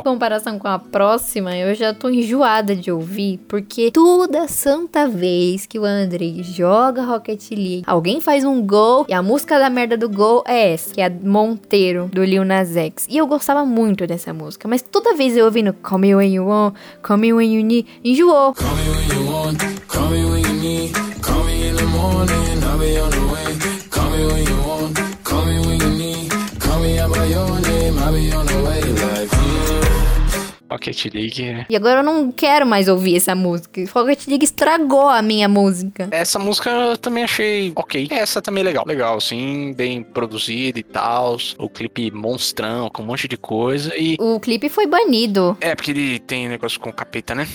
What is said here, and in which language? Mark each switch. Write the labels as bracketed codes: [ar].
[pt] Em comparação com a próxima, eu já tô enjoada de ouvir, porque toda santa vez que o Andrei joga Rocket League, alguém faz um gol e a música da merda do gol é essa, que é a Monteiro do Lil Nas X. E eu gostava muito dessa música, mas toda vez eu ouvindo Call Me When You Want, Call Me When You Need, enjoou. [en] Call me when you want, call me when you need, call me in the morning, I'll be on the way. Call me when you want, call me when you need, call me by your name, I'll be on the way. [pt] Rocket League. E agora eu não quero mais ouvir essa música. Rocket League estragou a minha música. Essa música eu também achei ok. Essa também é legal. Legal, sim, bem produzida e tal. O clipe monstrão, com um monte de coisa e... O clipe foi banido. É, porque ele tem negócio com o capeta, né?